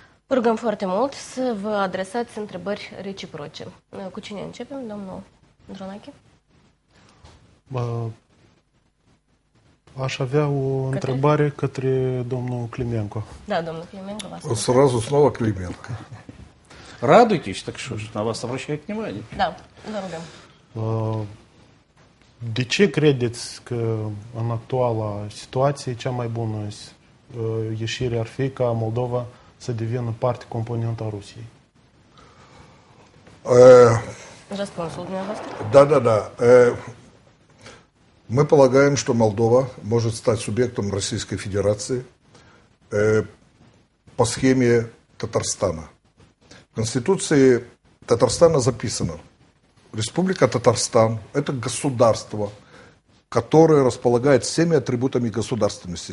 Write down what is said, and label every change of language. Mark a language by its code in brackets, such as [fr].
[ro] Rugăm foarte mult să vă adresați întrebări reciproce. Cu cine începem, domnul Dronache? Aș avea o întrebare către domnul Climenco. Da, domnul Climenco, vă ascult. [ru] Сразу снова Клименко. Радуйтесь, так что же, на вас обращает внимание. Да, вы рогам. [ro] De ce credeți că în actuala situație cea mai bună ieșire ar fi ca Moldova să devină parte componentă a Rusiei? Răspunsul dumneavoastră? Da. [ru] Мы полагаем, что Молдова может стать субъектом Российской Федерации по схеме Татарстана. В Конституции Татарстана записано: Республика Татарстан – это государство, которое располагает всеми атрибутами государственности.